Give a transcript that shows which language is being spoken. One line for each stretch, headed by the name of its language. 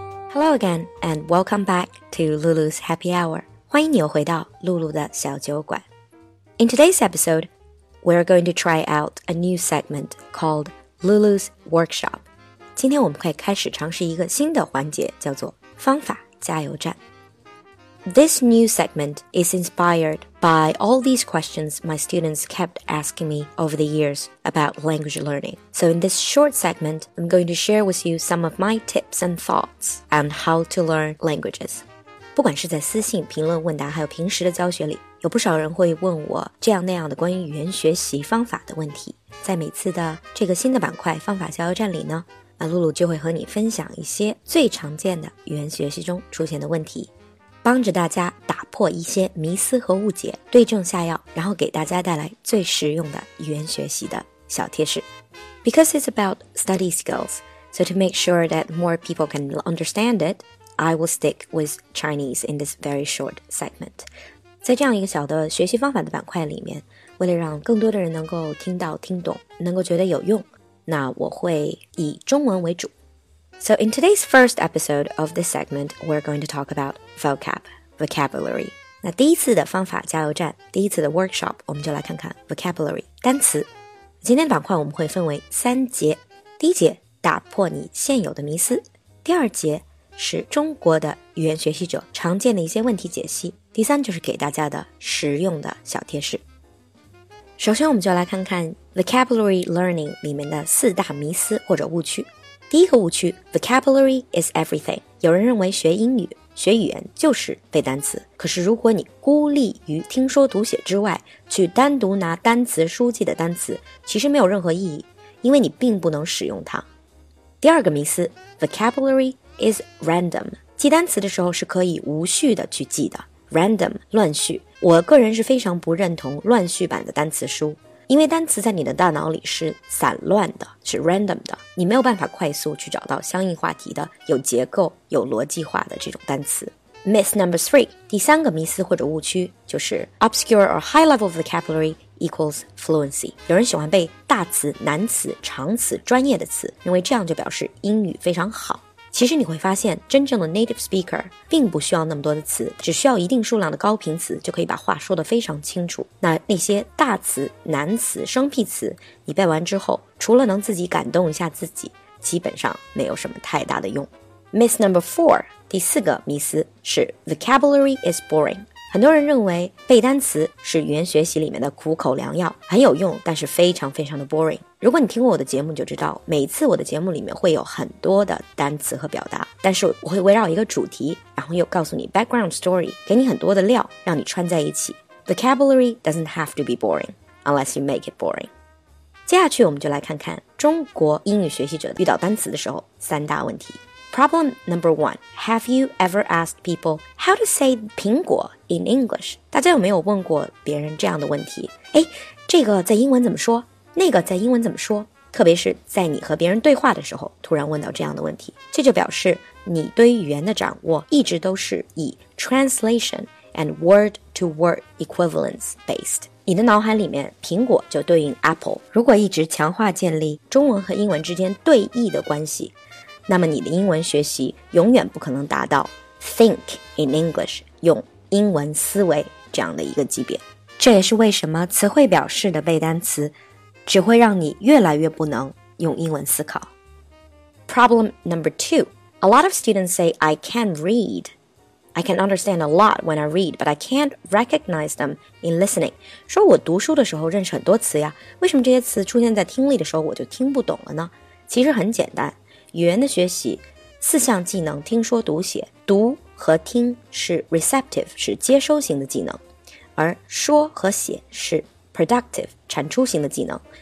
English: Hello again, and welcome back to Lulu's Happy Hour.
Chinese: 欢迎你回到露露的小酒馆。
English: In today's episode, we're going to try out a new segment called Lulu's Workshop.
Chinese: 今天我们可以开始尝试一个新的环节，叫做方法加油站。
English: This new segment is inspired by all these questions my students kept asking me over the years about language learning. So in this short segment, I'm going to share with you some of my tips and thoughts on how to learn languages.
Chinese: 不管是在私信、评论、问答，还有平时的教学里，有不少人会问我这样那样的关于语言学习方法的问题。在每次的这个新的板块方法加油站里呢，露露就会和你分享一些最常见的语言学习中出现的问题。帮着大家打破一些迷思和误解，对症下药，然后给大家带来最实用的语言学习的小贴士。
English: Because it's about study skills, so to make sure that more people can understand it, I will stick with Chinese in this very short segment.
Chinese: 在这样一个小的学习方法的板块里面，为了让更多的人能够听到、听懂，能够觉得有用，那我会以中文为主。
English: So in today's first episode of this segment, we're going to talk about vocabulary.
Chinese: 那第一次的方法加油站，第一次的 workshop, 我们就来看看 vocabulary, 单词。今天的板块我们会分为三节。第一节，打破你现有的迷思。第二节，是中国的语言学习者常见的一些问题解析。第三，就是给大家的实用的小贴士。首先我们就来看看 vocabulary learning 里面的四大迷思或者误区。第一个误区，
English: vocabulary is everything.
Chinese: 有人认为学英语、学语言就是背单词。可是如果你孤立于听说读写之外，去单独拿单词书记的单词，其实没有任何意义，因为你并不能使用它。第二个迷思，
English: vocabulary is random.
Chinese: 记单词的时候是可以无序的去记的， random, 乱序。我个人是非常不认同乱序版的单词书。因为单词在你的大脑里是散乱的，是 random 的，你没有办法快速去找到相应话题的有结构、有逻辑化的这种单词。
English: Myth number three, 第三个迷思或者误区就是
Chinese: obscure or high level vocabulary equals fluency. 有人喜欢背大词、难词、长词、专业的词，认为这样就表示英语非常好。其实你会发现，真正的 native speaker 并不需要那么多的词，只需要一定数量的高频词就可以把话说得非常清楚。那些大词、难词、生僻词，你背完之后，除了能自己感动一下自己，基本上没有什么太大的用。
English: Myth number four,
Chinese: 第四个迷思是
English: vocabulary is boring.
Chinese: 很多人认为背单词是语言学习里面的苦口良药，很有用，但是非常非常的 boring。如果你听过我的节目就知道，每次我的节目里面会有很多的单词和表达，但是我会围绕一个主题，然后又告诉你 background story, 给你很多的料让你串在一起。
English: Vocabulary doesn't have to be boring, unless you make it boring.
Chinese: 接下去我们就来看看中国英语学习者遇到单词的时候三大问题。
English: Problem number one, have you ever asked people how to say 苹果 in English?
Chinese: 大家有没有问过别人这样的问题？哎，这个在英文怎么说？那个在英文怎么说？特别是在你和别人对话的时候突然问到这样的问题，这就表示你对语言的掌握一直都是以
English: translation and word-to-word equivalence based。
Chinese: 你的脑海里面苹果就对应 apple。如果一直强化建立中文和英文之间对译的关系，那么你的英文学习永远不可能达到
English: think in English,
Chinese: 用英文思维这样的一个级别。这也是为什么词汇表示的背单词只会让你越来越不能用英文思考。
English: Problem number two, a lot of students say I can read. I can understand a lot when I read, but I can't recognize them in listening.
Chinese: 说我读书的时候认识很多词呀，为什么这些词出现在听力的时候我就听不懂了呢？其实很简单，语言的学习四项技能，听说读写，读和听是 receptive, 是接收型的技能，而说和写是productive, 产出型的技能。